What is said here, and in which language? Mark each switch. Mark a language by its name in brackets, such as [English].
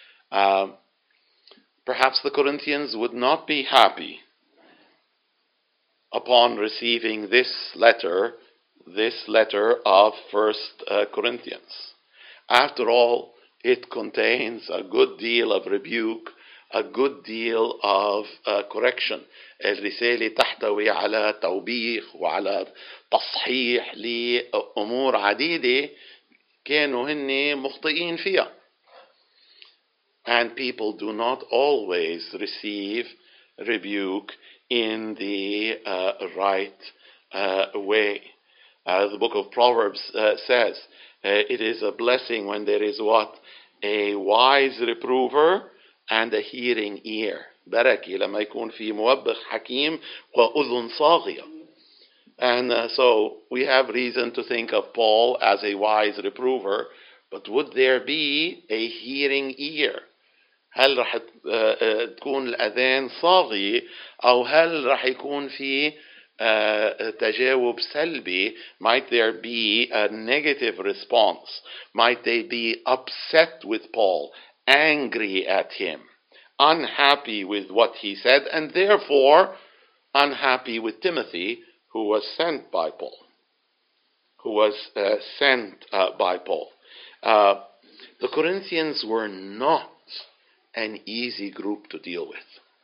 [English] Perhaps the Corinthians would not be happy upon receiving this letter of 1 Corinthians. After all, it contains a good deal of rebuke, a good deal of correction. [Arabic] الرسالة تحتوي على توبيخ وعلى تصحيح لأمور عديدة كانوا هن مخطئين فيها. [English] And people do not always receive rebuke in the right way. The book of Proverbs says, it is a blessing when there is what? A wise reprover and a hearing ear. [Arabic] بركي لما يكون في موبخ حكيم وأذن صاغية. [English] And so we have reason to think of Paul as a wise reprover, but would there be a hearing ear? [Arabic] هل رح تكون الأذان صاغية أو هل رح يكون في تجاوب سلبي? [English] Might there be a negative response? Might they be upset with Paul, angry at him, unhappy with what he said, and therefore unhappy with Timothy, who was sent by Paul? Who was sent by Paul? The Corinthians were not an easy group to deal with.